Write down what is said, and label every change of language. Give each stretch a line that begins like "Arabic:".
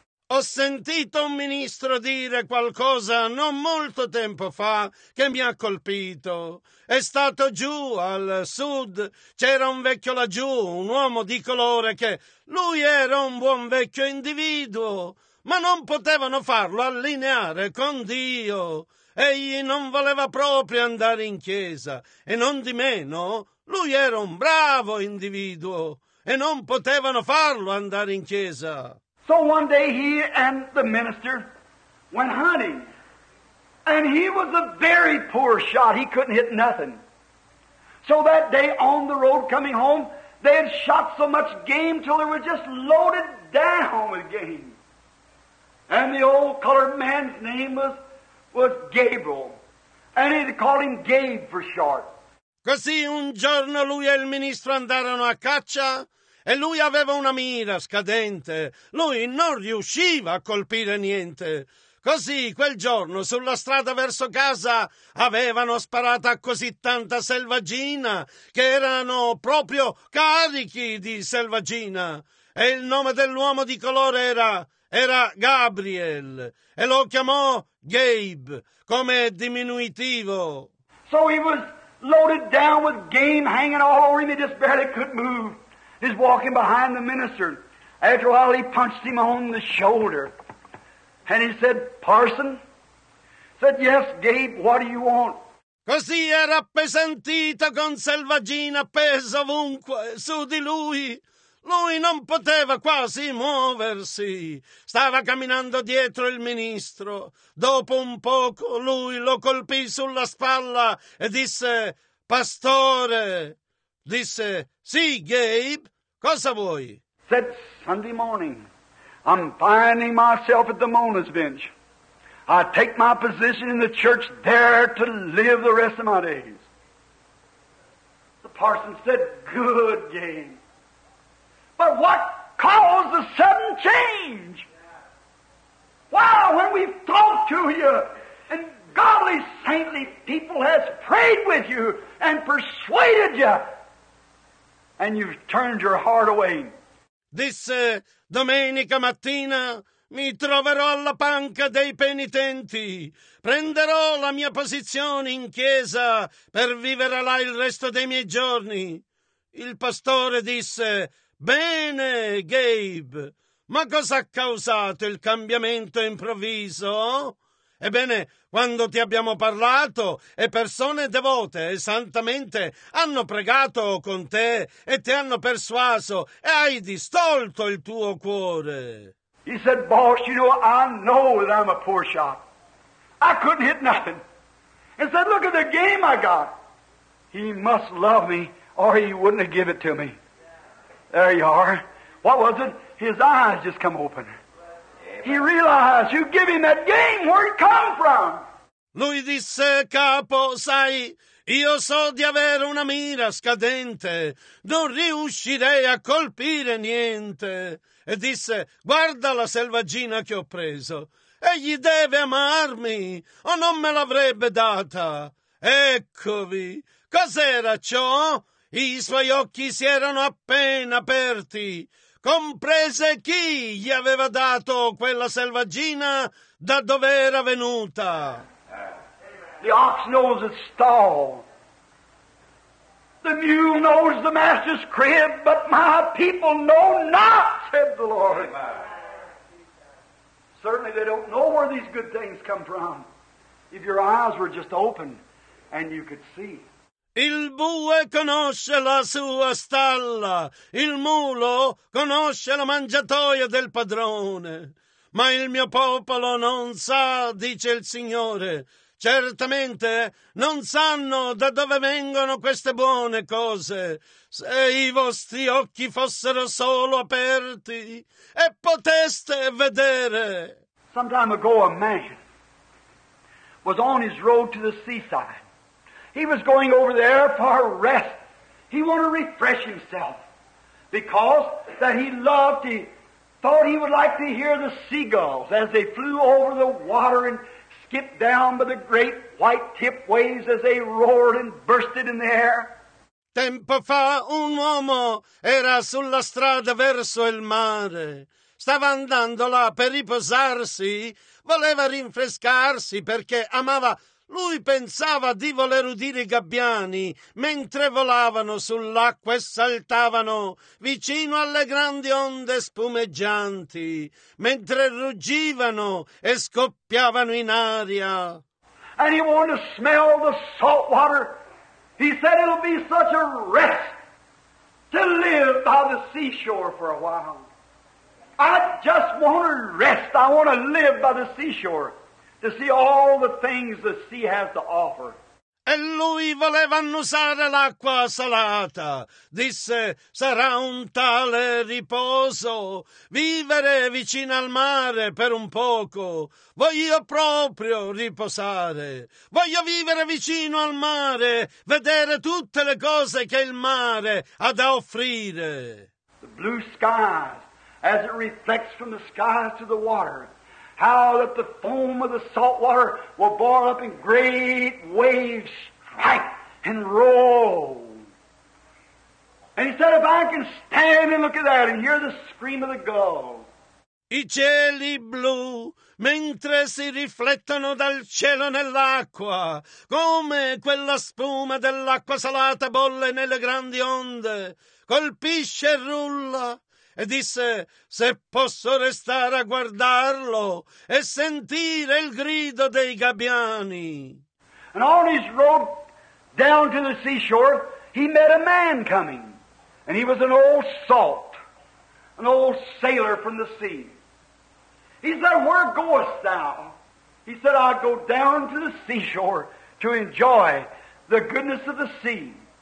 Italian: Ho sentito un ministro dire qualcosa non molto tempo fa che mi ha colpito. È stato giù al sud, c'era un vecchio laggiù, un uomo di colore che lui era un buon vecchio individuo, ma non potevano farlo allineare con Dio. Egli non voleva proprio andare in chiesa e non di meno lui era un bravo individuo e non potevano farlo andare in chiesa.
English: So one day he and the minister went hunting, and he was a very poor shot. He couldn't hit nothing. So that day on the road coming home, they had shot so much game till they were just loaded down with game. And the old colored man's name was Gabriel, and they called him Gabe for short.
Italian: Così un giorno lui e il ministro andarono a caccia. E lui aveva una mira scadente, lui non riusciva a colpire niente. Così quel giorno sulla strada verso casa avevano sparato a così tanta selvaggina che erano proprio carichi di selvaggina. E il nome dell'uomo di colore era Gabriel e lo chiamò Gabe come diminutivo.
English: So he was loaded down with game hanging all over him, he just barely could move. He's walking behind the minister. After a while, he punched him on the shoulder. And he said, Parson? He said, yes, Gabe, what do you want?
Italian: Così era appesantito con selvaggina, appeso ovunque, su di lui. Lui non poteva quasi muoversi. Stava camminando dietro il ministro. Dopo un poco lui lo colpì sulla spalla e disse: «Pastore!» Disse: «Sì, Gabe, cosa vuoi?»
English: Said Sunday morning, I'm finding myself at the mourner's bench. I take my position in the church there to live the rest of my days. The parson said, good, Jane. But what caused the sudden change? Why, when we've talked to you and godly, saintly people has prayed with you and persuaded you, and you've turned your heart away.
Italian: Disse, domenica mattina mi troverò alla panca dei penitenti. Prenderò la mia posizione in chiesa per vivere là il resto dei miei giorni. Il pastore disse, bene, Gabe, ma cosa ha causato il cambiamento improvviso? Ebbene, quando ti abbiamo parlato e persone devote e santamente hanno pregato con te e ti hanno persuaso e hai distolto il tuo cuore.
English: He said, boss, you know, I know that I'm a poor shot. I couldn't hit nothing. He said, look at the game I got. He must love me or he wouldn't have given it to me. There you are. What was it? His eyes just come open. He realized you give him that game where it come from.
Italian: Lui disse, capo, sai, io so di avere una mira scadente. Non riuscirei a colpire niente. E disse, guarda la selvaggina che ho preso. Egli deve amarmi o non me l'avrebbe data. Eccovi, cos'era ciò? I suoi occhi si erano appena aperti. Comprese chi gli aveva dato quella selvaggina da dove era venuta.
English: The ox knows its stall. The mule knows the master's crib, but my people know not, said the Lord. Amen. Certainly they don't know where these good things come from. If your eyes were just open and you could see.
Italian: Il bue conosce la sua stalla, il mulo conosce la mangiatoia del padrone, ma il mio popolo non sa, dice il Signore, certamente non sanno da dove vengono queste buone cose. Se i vostri occhi fossero solo aperti e poteste vedere.
English: Some time ago a man was on his road to the seaside. He was going over there for rest. He wanted to refresh himself because that he loved, he thought he would like to hear the seagulls as they flew over the water and skipped down by the great white-tipped waves as they roared and bursted in the air.
Italian: Tempo fa un uomo era sulla strada verso il mare. Stava andando là per riposarsi, voleva rinfrescarsi perché amava. Lui pensava di voler udire i gabbiani mentre volavano sull'acqua e saltavano vicino alle grandi onde spumeggianti, mentre ruggivano e scoppiavano in aria.
English: And he wanted to smell the salt water. He said it'll be such a rest to live by the seashore for a while. I just want to rest. I want to live by the seashore. To see all the things the sea has to offer.
Italian: E lui voleva annusare l'acqua salata. Disse, sarà un tale riposo. Vivere vicino al mare per un poco. Voglio proprio riposare. Voglio vivere vicino al mare. Vedere tutte le cose che il mare ha da offrire.
English: The blue skies, as it reflects from the sky to the water. How that the foam of the salt water will boil up in great waves, strike and roll. And he said, if I can stand and look at that and hear the scream of the gull.
Italian: I cieli blu, mentre si riflettono dal cielo nell'acqua, come quella spuma dell'acqua salata bolle nelle grandi onde, colpisce e rulla. E disse, se posso restare a guardarlo e sentire il grido dei gabbiani.
English: And on his road down to the seashore, he met a man coming. And he was an old salt. an old sailor from the sea. He said, "Where goest thou?" He said, "I'll go down to the seashore to enjoy the goodness of the sea."